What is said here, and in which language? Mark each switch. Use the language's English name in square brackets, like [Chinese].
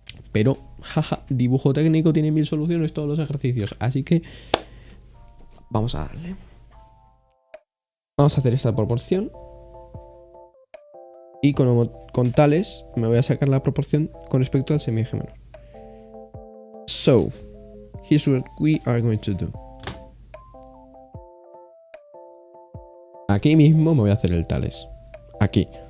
[Spanish] Pero, jaja, dibujo técnico tiene mil soluciones todos los ejercicios, así que vamos a darle. Vamos a hacer esta proporción. Y con tales, me voy a sacar la proporción con respecto al semieje menor. [English] So, here's what we are going to do. [Spanish] Aquí mismo me voy a hacer el tales. Aquí.